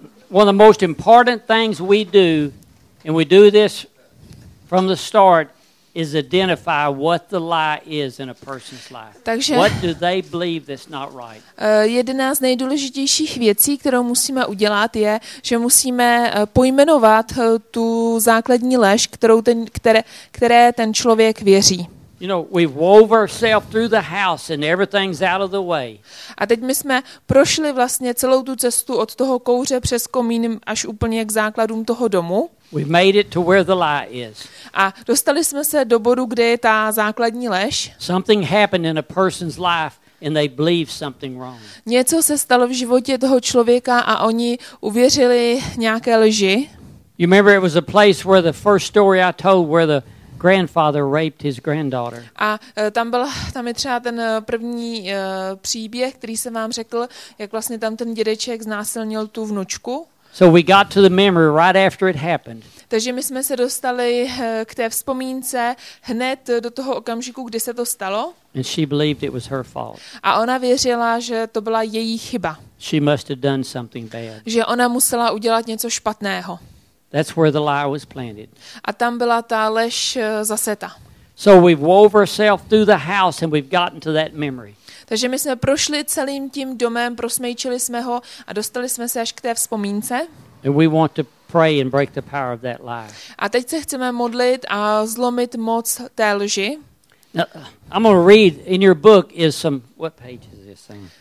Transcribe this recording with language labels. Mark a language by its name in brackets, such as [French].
[English] One of the most important things we do, and we do this from the start, is identify what the lie is in a person's life. [Czech] Takže, [English] what do they believe that's not right? [Czech] Jedna z nejdůležitějších věcí, kterou musíme udělat, je, že musíme pojmenovat tu základní lež, které ten člověk věří. [English] You know, we've wove ourselves through the house and everything's out of the way. [Czech] A teď my jsme prošli vlastně celou tu cestu od toho kouře přes komín až úplně k základům toho domu. [English] We've made it to where the lie is. [Czech] A dostali jsme se do bodu, kde je ta základní lež. [English] Something happened in a person's life and they believe something wrong. [Czech] Něco se stalo v životě toho člověka a oni uvěřili nějaké lži. [English] You remember it was a place where the first story I told where the grandfather raped his granddaughter. [Czech] A tam je třeba ten první příběh, který jsem vám řekl, jak vlastně tam ten dědeček znásilnil tu vnučku. [English] So we got to the memory right after it happened. [Czech] Takže my jsme se dostali k té vzpomínce hned do toho okamžiku, kdy se to stalo. [English] And she believed it was her fault. [Czech] A ona věřila, že to byla její chyba. [English] She must have done something bad. [Czech] Že ona musela udělat něco špatného. [English] That's where the lie was planted. [Czech] A tam byla ta lež zaseta. [English] So we've wove ourselves through the house and we've gotten to that memory. [Czech] Takže my jsme prošli celým tím domem, prosmejčili jsme ho a dostali jsme se až k té vzpomínce. [English] And we want to pray and break the power of that lie. [Czech] A teď se chceme modlit a zlomit moc té lži. [English] Now, I'm going to read in your book is some what page is this thing?